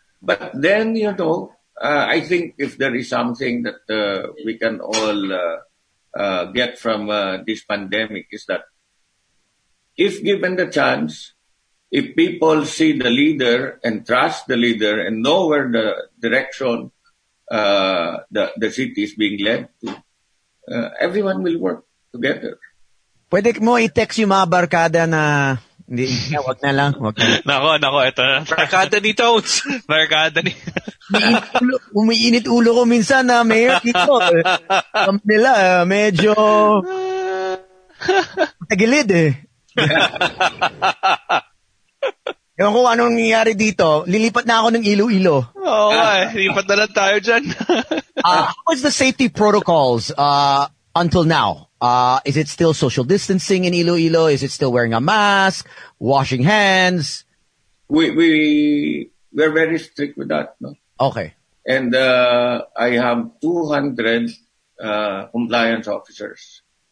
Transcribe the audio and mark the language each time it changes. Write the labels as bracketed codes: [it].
[en] But then, I think if there is something that we can all get from this pandemic is that if given the chance, if people see the leader and trust the leader and know where the direction the city is being led to, everyone will work together. [tl] Pwede mo i-text yung mga barkada na... Hindi, wag na lang. Nako, ito. Barkada ni Tones. Barkada ni... Umiinit ulo ko minsan na mayor dito. Nila, medyo... Matagilid eh. Ewan ko ano nangyayari dito. Lilipat na ako ng Iloilo. Oo, okay. Lipat na lang tayo dyan. [en] How was the safety protocols until now? Is it still social distancing in Iloilo? Is it still wearing a mask? Washing hands? We're very strict with that, no? Okay. And I have 200 compliance officers.